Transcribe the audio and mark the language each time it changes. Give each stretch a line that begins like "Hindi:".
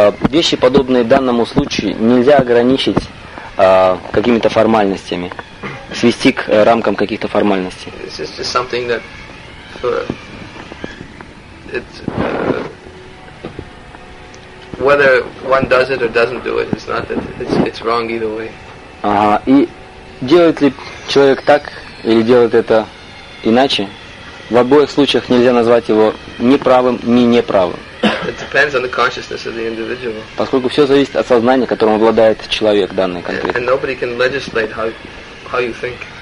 Russian: Вещи, подобные данному случаю, нельзя ограничить какими-то формальностями. Свести к рамкам каких-то формальностей.
English: It's just something that it's whether one does it or doesn't do it, it's not that it's wrong either way.
Russian: И делает ли человек так или делает это иначе, в обоих случаях нельзя назвать его ни правым, ни неправым.
English: It depends on the consciousness of the individual.
Russian: Поскольку все зависит от сознания, которым обладает человек данный конкретный.
English: And nobody can legislate how you think.